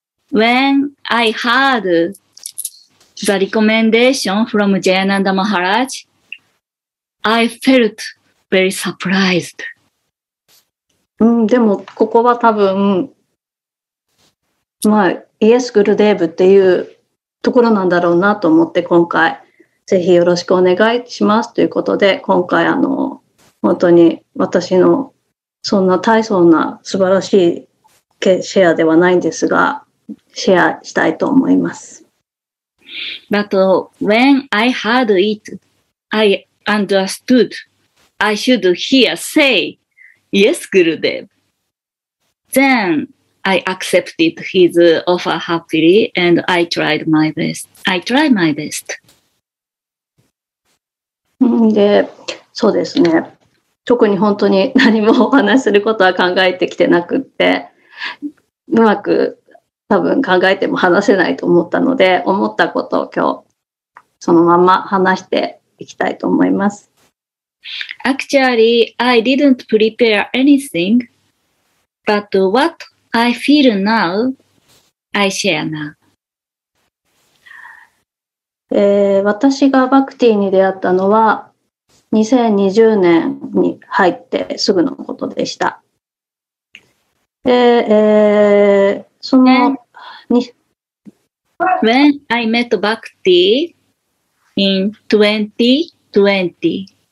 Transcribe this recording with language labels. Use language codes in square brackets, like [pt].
[en] When I heard the recommendation from Jayananda Maharaj, I felt very surprised. [ja] でもここは多分、まあ、イエス・グルデーブっていうところなんだろうなと思って今回、ぜひよろしくお願いしますということで、今回本当に私のそんな大層な素晴らしいシェアではないんですが、シェアしたいと思います。 [en] But when I heard it, I understood I should hear say, Yes, Gurudev. Then I accepted his offer happily and I tried my best. I tried my best. [ja] で、そうですね。特に本当に何もお話しすることは考えてきてなくって、うまく多分考えても話せないと思ったので、思ったことを今日そのまま話していきたいと思います。 [en] Actually, I didn't prepare anything, but what I feel now, I share now. [ja] 私がバクティに出会ったのは2020年に入ってすぐのことでした。で、その、 [en] When I met Bhakti in 2020.